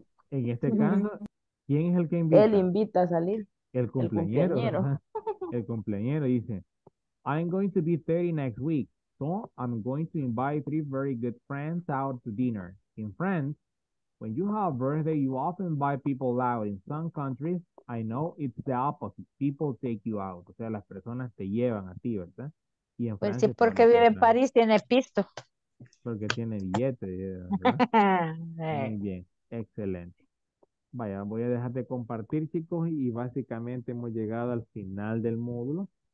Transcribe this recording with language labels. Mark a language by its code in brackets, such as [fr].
[es] En este caso, ¿quién es el que invita? Él invita a salir. El cumpleañero. El cumpleañero. El cumpleañero dice, [en] I'm going to be 30 next week. So I'm going to invite three very good friends out to dinner. In France, when you have a birthday, you often invite people out. In some countries, I know it's the opposite. People take you out. [es] O sea, las personas te llevan a ti, ¿verdad? Y en pues Francia, sí, porque vive en París, tiene pisto. Porque tiene billete, ¿verdad? Muy bien, excelente. Vaya, voy a dejar de compartir, chicos, y básicamente hemos llegado al final del módulo.